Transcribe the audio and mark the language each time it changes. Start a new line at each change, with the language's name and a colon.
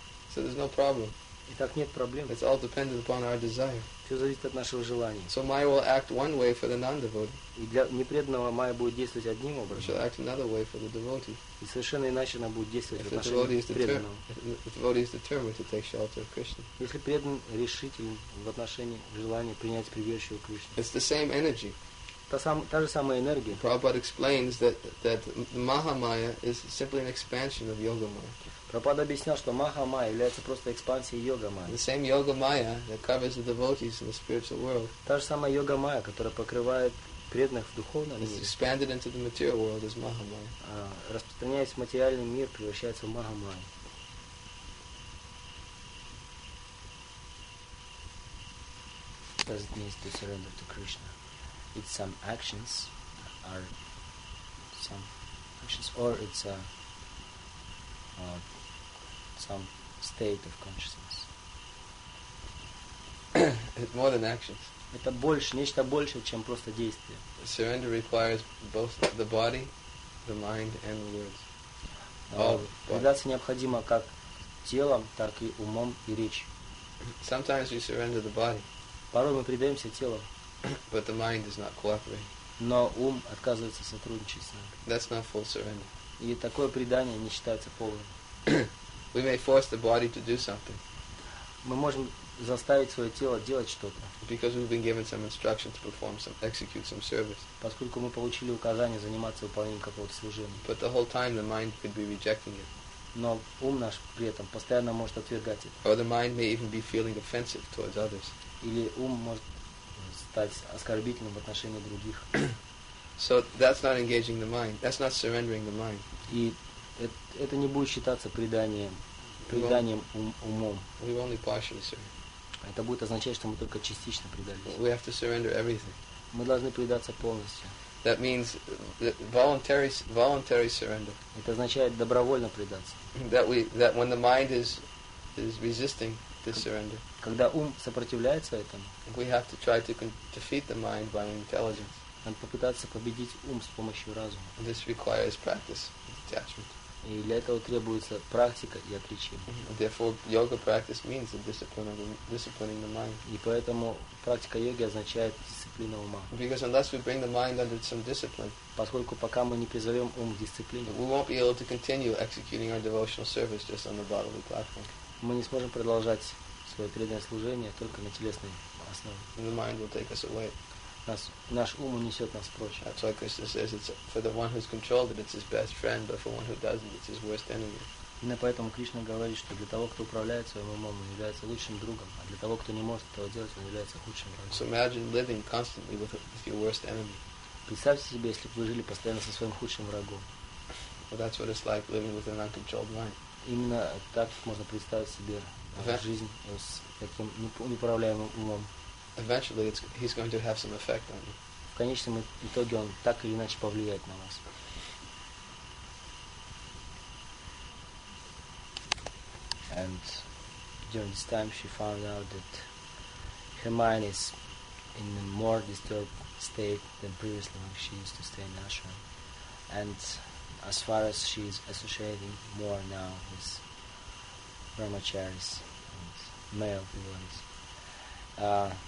English: So there's no problem.
Russian: Итак, нет проблем.
English: It's all dependent upon our desire.
Russian: Все зависит от нашего желания.
English: So Maya will act one way for the non-devotee.
Russian: И для непреданного Майя будет действовать одним образом.
English: She'll act another way for the devotee.
Russian: И совершенно иначе она будет действовать в отношении преданного.
English: If the devotee is determined to take shelter of Krishna.
Russian: Если преданный решителен в отношении желания принять прибежище у Кришны.
English: It's the same energy.
Russian: Та же самая энергия.
English: Prabhupada explains that Mahamaya is simply an expansion of Yoga Maya.
Russian: Прабхупада объяснял, что Маха-майя является просто экспансией йога-майя.
English: The same yoga-майя that covers the devotees in the spiritual world.
Russian: Та же самая йога-майя, которая покрывает преданных в духовном мире.
English: Is expanded into the material world as Maha-майя.
Russian: Распространяясь в материальный мир, превращается в Маха-майя.
English: Does it mean to surrender to Krishna? It's some actions, or some actions, or it's a some state of consciousness. It's more than actions.
Russian: Это больше, нечто больше, чем просто действие.
English: Surrender requires both the body, the mind, and the words.
Russian: Предаться необходимо как телом, так и умом и речью.
English: Sometimes we surrender the body.
Russian: Порой мы предаемся телу.
English: But the mind is not cooperating.
Russian: Но ум отказывается сотрудничать с нами.
English: That's not full surrender.
Russian: И такое предание не считается полным.
English: We may force the body to do something.
Russian: Мы можем заставить свое тело делать что-то.
English: Because we've been given some instruction to perform some, execute some service.
Russian: Поскольку мы получили указание заниматься выполнением какого-то служения.
English: But the whole time the mind could be rejecting it.
Russian: Но ум наш при этом постоянно может отвергать это.
English: Or the mind may even be feeling offensive towards others.
Russian: Или ум может стать оскорбительным в отношении других.
English: So that's not engaging the mind. That's not surrendering the mind.
Russian: И это не будет считаться преданием умом.
English: We only partially surrender.
Russian: Это будет означать, что мы только частично предались.
English: We have to surrender everything.
Russian: Мы должны предаться полностью.
English: That means voluntary surrender.
Russian: Это означает добровольно предаться.
English: That when the mind is resisting this surrender.
Russian: Когда ум сопротивляется этому.
English: We have to try to defeat the mind by intelligence.
Russian: Надо попытаться победить ум с помощью разума.
English: This requires practice, detachment.
Russian: И для этого требуется практика и отречение.
English: Therefore, yoga practice means the discipline of disciplining the mind.
Russian: И поэтому практика йоги означает дисциплина ума.
English: Because unless we bring the mind under some discipline,
Russian: поскольку пока мы не призовем ум к дисциплине,
English: we won't be able to continue executing our devotional service just on the bodily platform.
Russian: Мы не сможем продолжать свое преданное служение только на телесной основе.
English: And the mind will take us away.
Russian: Наш ум унесет нас прочь.
English: That's why Krishna says it's for the one who's controlled that it's his best friend, but for one who doesn't, it's his worst enemy.
Russian: Именно поэтому Кришна говорит, что для того, кто управляет своим умом, он является лучшим другом, а для того, кто не может этого делать, он является худшим врагом.
English: So imagine living constantly with your worst enemy.
Russian: Представьте себе, если бы вы жили постоянно со своим худшим врагом.
English: Well, that's what it's like living with an uncontrolled mind.
Russian: Именно так можно представить себе жизнь с таким неуправляемым умом.
English: Eventually, he's going to have some effect on you.
Russian: В конечном итоге он так или иначе повлияет на вас.
English: And during this time, she found out that her mind is in a more disturbed state than previously when she used to stay in ashram. And as far as she is associating more now with brahmacharis and male devotees.